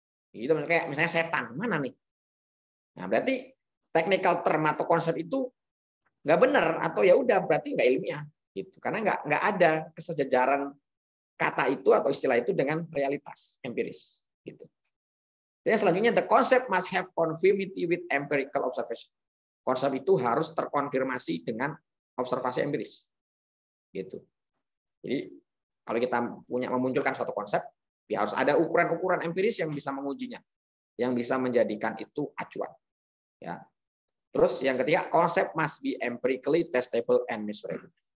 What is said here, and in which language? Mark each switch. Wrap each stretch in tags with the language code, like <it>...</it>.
<id>Gitu, kayak misalnya setan, mana nih? Nah, berarti</id> <en>technical term</en> <id>atau konsep itu nggak benar atau ya udah berarti nggak ilmiah gitu, karena nggak ada kesejajaran kata itu atau istilah itu dengan realitas empiris gitu. Jadi selanjutnya</id> <en>the concept must have conformity with empirical observation.</en> <id>Konsep itu harus terkonfirmasi dengan observasi empiris gitu. Jadi kalau kita punya memunculkan suatu konsep ya harus ada ukuran-ukuran empiris yang bisa mengujinya, yang bisa menjadikan itu acuan. Ya. Terus yang ketiga, konsep</id> <en>must be empirically testable and measurable.</en>